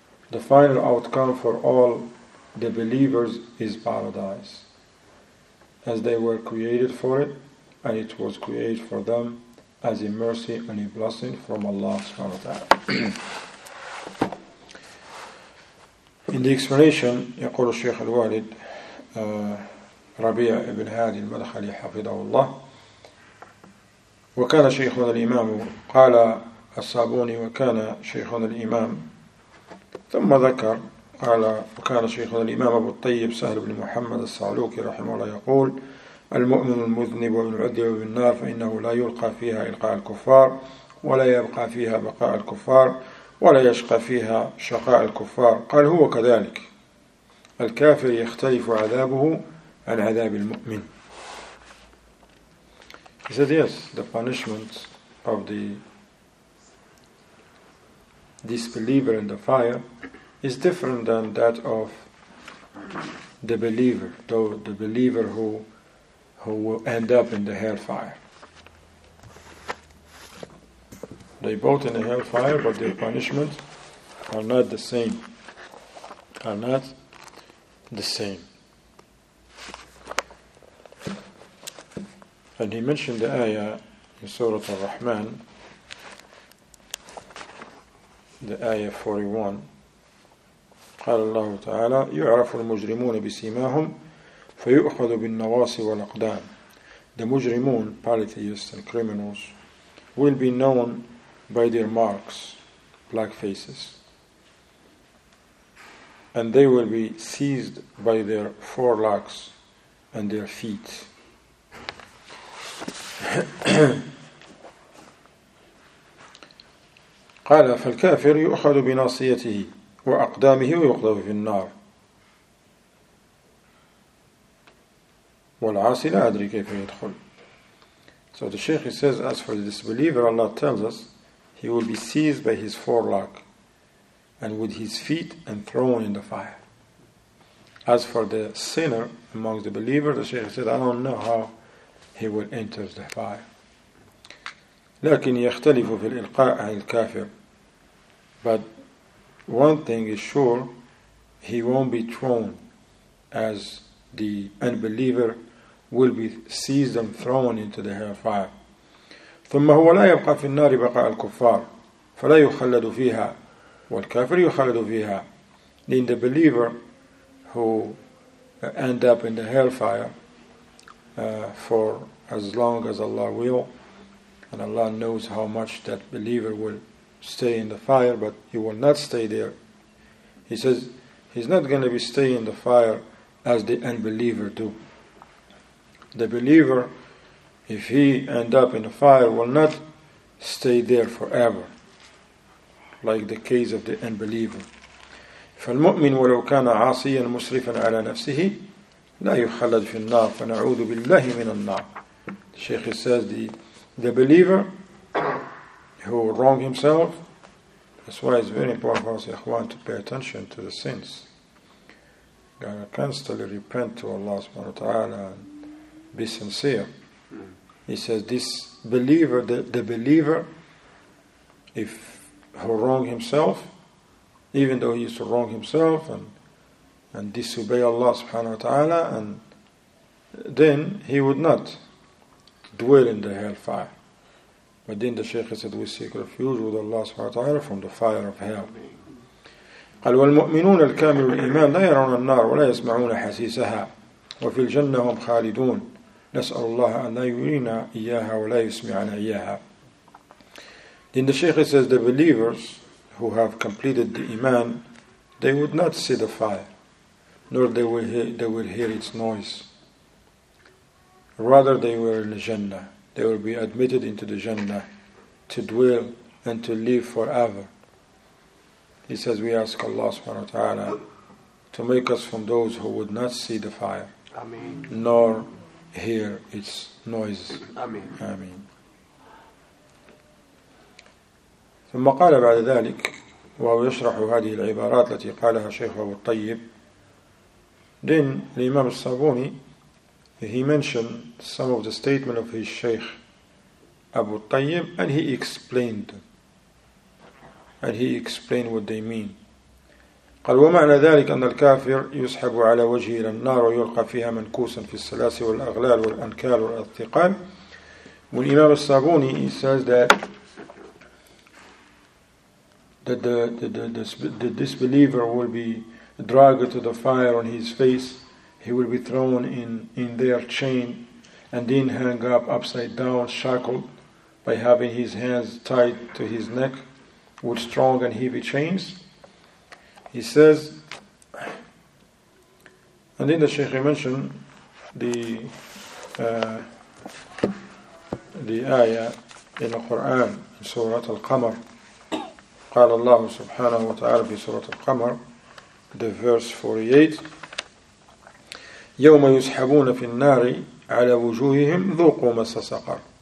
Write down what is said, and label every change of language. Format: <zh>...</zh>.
<en>The final outcome for all the believers is paradise, as they were created for it, and it was created for them as a mercy and a blessing from Allah subhanahu wa ta'ala. In the explanation,</en> <ar>يقول الشيخ الوالد ربيع ابن هادي المدخلي حفظه الله وكان شيخنا الإمام قال الصابوني وكان شيخنا الإمام ثم ذكر قال وكان شيخنا الإمام أبو الطيب سهل بن محمد الصعلوكي رحمه الله يقول المؤمن المذنب والعدي بالنار فإنه لا يلقى فيها إلقاء الكفار ولا يبقى فيها بقاء الكفار ولا يشقى فيها شقاء الكفار. قال هو كذلك الكافر يختلف عذابه عن عذاب المؤمن.</ar> <en>He said yes, the punishment of the disbeliever in the fire is different than that of the believer, though the believer who will end up in the hellfire. They both in the hellfire, but their punishment are not the same. Are not the same. And he mentioned the ayah in Surah Al-Rahman, the ayah 41.</en> <ar>قال الله تعالى يعرف المجرمون بسيماهم فيؤخذ بالنواصي والأقدام.</ar> <en>The mujrimun, polytheists and criminals, will be known by their marks, black faces. And they will be seized by their forelocks and their feet.</en> <ar>قال فالكافر يؤخذ بناصيته وأقدامه ويقذف في النار والعاصي لا أدري كيف يدخل.</ar> <en>So the Sheikh says, as for the disbeliever, Allah tells us, he will be seized by his forelock and with his feet and thrown in the fire. As for the sinner among the believers, the Shaykh said, I don't know how he will enter the fire.</en> <ar>لكن يختلف في الإلقاء عن الكافر.</ar> <en>But one thing is sure, he won't be thrown as the unbeliever will be seized and thrown into the hellfire.</en> <ar>ثم هو لا يبقى في النار بقاء الكفار فلا يخلد فيها والكافر يخلد فيها.</ar> <en>Then the believer who end up in the hellfire for as long as Allah will, and Allah knows how much that believer will stay in the fire, but he will not stay there. He says he's not going to be staying in the fire as the unbeliever do. The believer, if he end up in the fire, will not stay there forever, like the case of the unbeliever.</en> <ar>فالمؤمن ولو كان عاصيا مسرفا على نفسه لا يخلد في النار فنعوذ بالله من النار.</ar> <en>The Sheikh says the believer who wrong himself, that's why it's very important for us, Ikhwan, to pay attention to the sins. Gotta constantly repent to Allah subhanahu wa ta'ala and be sincere. He says this believer, the believer, if he wrong himself, even though he used to wrong himself and disobey Allah subhanahu wa ta'ala, and then he would not dwell in the hellfire. But then the Shaykh said, we seek refuge with Allah subhanahu wa ta'ala from the fire of hell.</en> <ar>قال والمؤمنون الكامل الإيمان لا يرون النار ولا يسمعون حسيسها وفي الجنة هم خالدون نسأل الله أن لا يرينا إياها ولا يسمعنا إياها.</ar> <en>Then the Shaykh says the believers who have completed the iman, they would not see the fire, nor they will hear its noise. Rather, they were in the Jannah. They will be admitted into the Jannah to dwell and to live forever. He says, we ask Allah subhanahu wa ta'ala to make us from those who would not see the fire, Ameen. Nor hear its noise. Ameen.</en> <ar>ثم قال بعد ذلك وهو يشرح هذه العبارات التي قالها شيخ أبو الطيب.</ar> <en>Then the Imam al-Sabuni, he mentioned some of the statement of his Shaykh Abu Tayyib, and he explained them. And he explained what they mean.</en> <ar>قال ومعنى ذلك أن الكافر يسحب على وجهه إلى النار ويلقى فيها منكوسا في السلاسل والأغلال والأنكال والأثقال.</ar> <en>When Imam al-Sabuni, he says that the disbeliever will be dragged to the fire on his face. He will be thrown in their chain and then hung up upside down, shackled by having his hands tied to his neck with strong and heavy chains. He says, and then the Shaykh mentioned the ayah in the Quran, in Surah Al-Qamar.</en> <ar>قال الله سبحانه وتعالى في سورة القمر</ar> <en>the verse 48</en> <ar>يوم يسحبون في النار على وجوههم ذوقوا مس سقر.</ar>